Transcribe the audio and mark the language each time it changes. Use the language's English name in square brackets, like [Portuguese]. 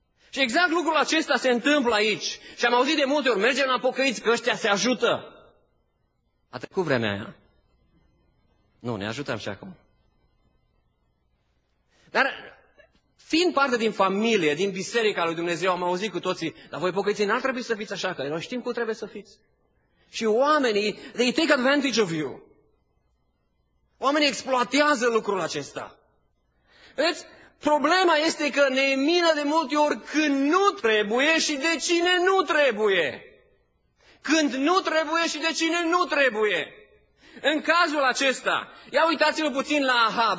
[Romanian] Și exact lucrul acesta se întâmplă aici. Și am auzit de multe ori, mergem la pocăiți că ăștia se ajută. A trecut vremea aia. Nu, ne ajutăm și acum. Dar fiind parte din familie, din biserica lui Dumnezeu, am auzit cu toții, dar voi pocăiții n-ar trebui să fiți așa, că noi știm cum trebuie să fiți. Și oamenii, [English] they take advantage of you. [Romanian] Oamenii exploatează lucrul acesta. Vedeți? Problema este că ne e milă de multe ori când nu trebuie și de cine nu trebuie. Când nu trebuie și de cine nu trebuie. În cazul acesta, ia uitați-vă puțin la Ahab.